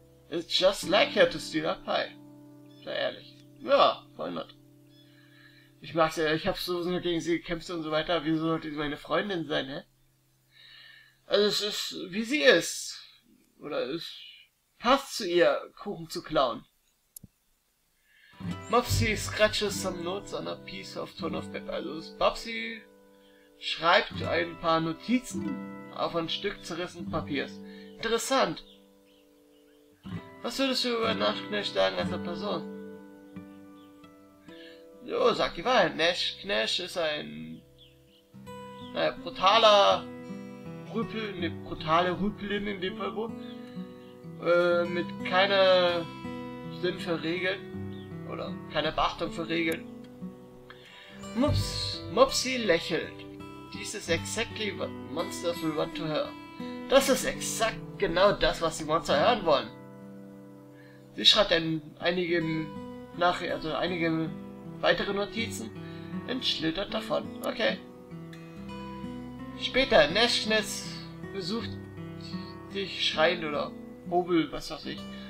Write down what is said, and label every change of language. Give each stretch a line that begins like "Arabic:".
English: It's just like her to steal a pie.
German: Sei ehrlich. Ja, voll not. Ich mag's ja, ich hab so nur gegen sie gekämpft und so weiter, wieso sollte sie meine Freundin sein, hä? Also es ist, wie sie ist. Oder es passt zu ihr, Kuchen zu klauen.
English: Mopsy scratches some notes on a piece of torn off paper.
German: Also Mopsy schreibt ein paar Notizen auf ein Stück zerrissenen Papiers. Interessant. Was würdest du über Nachtknecht sagen als eine Person? Jo, sag die Wahrheit. Nachtknecht ist ein... naja, brutaler... Rüpel, ne, brutale Rüpelin in dem Fall wohl. Mit keiner... Sinn für Regeln. Oder keine Beachtung für Regeln. Mopsy lächelt.
English: This is exactly what monsters will want to hear.
German: Das ist exakt genau das, was die Monster hören wollen. Sie schreibt dann einige Nachrichten, also einige weitere Notizen und schlittert davon. Okay. Später, Nashness besucht dich schreiend oder Hobel, was weiß ich.